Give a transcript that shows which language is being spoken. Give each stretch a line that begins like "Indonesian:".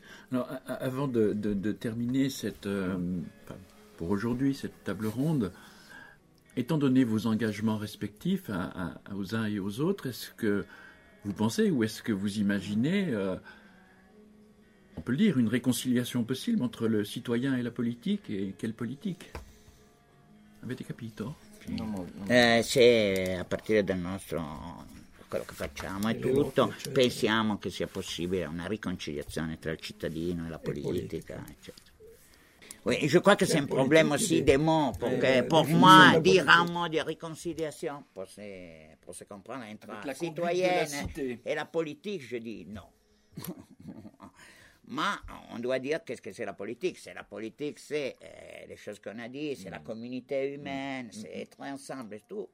French: Alors, avant de terminer cette, pour aujourd'hui cette table ronde, étant donné vos engagements respectifs aux uns et aux autres, est-ce que vous pensez ou est-ce que vous imaginez, on peut le dire, une réconciliation possible entre le citoyen et la politique, et quelle politique ? Avec des capitaux. C'est à partir de notre...
Italian: quello che facciamo è tutto, cioè, pensiamo che sia possibile una riconciliazione tra il cittadino e la politica, eccetera.
French: Je crois que c'est un problème aussi des mots, perché pour moi dire un mot
Italian: di riconciliazione
French: pour se comprendre entre la citoyenne e la politique, je dis non. Ma on doit dire qu'est-ce que c'est la politique. C'est la politique, c'est les choses qu'on a dit, c'est la communauté humaine, c'est être ensemble et tout.